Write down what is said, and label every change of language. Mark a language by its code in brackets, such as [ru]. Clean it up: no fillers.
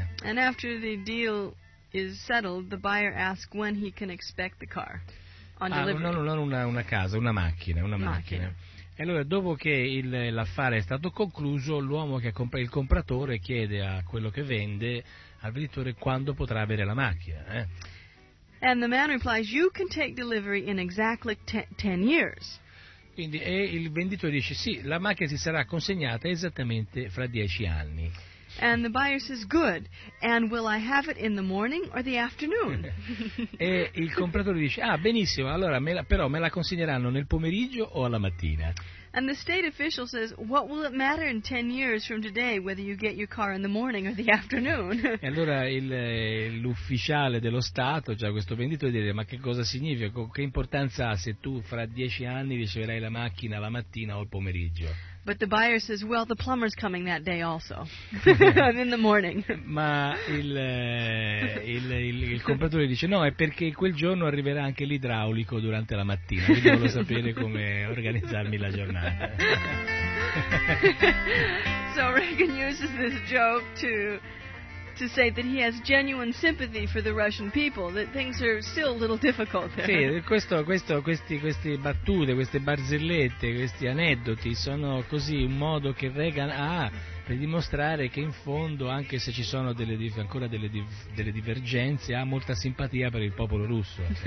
[en] And after the deal is settled, the buyer asks when he can expect the car on delivery. [it] Ah, non una casa, una macchina. E allora, dopo che l'affare è stato concluso, il compratore chiede a quello che vende, al venditore, quando potrà avere la macchina. [en] And the man replies, you can take delivery in exactly 10 years. [it] Quindi e il venditore dice, sì, la macchina si sarà consegnata esattamente fra 10 anni. [en] And the buyer says, good, and will I have it in the morning or the afternoon? [it] E il compratore dice, ah, benissimo, allora però me la consegneranno nel pomeriggio o alla mattina? [en] And the state official says, what will it matter in 10 years from today whether you get your car in the morning or the afternoon? [it] E allora l'ufficiale dello Stato, già questo venditore, dice, ma che cosa significa, che importanza ha se tu fra 10 anni riceverai la macchina la mattina o il pomeriggio? [en] But the buyer says, well, the plumber's coming that day also. In the morning. [it] Ma il compratore dice, no, è perché quel giorno arriverà anche l'idraulico durante la mattina. Quindi devo sapere come organizzarmi la giornata. [en] So Reagan uses this joke to say that he has genuine sympathy for the Russian people, that things are still a little difficult there. [it] Sì, queste battute, queste barzellette, questi aneddoti sono così un modo che Reagan ha per dimostrare che in fondo, anche se ci sono delle divergenze, ha molta simpatia per il popolo russo.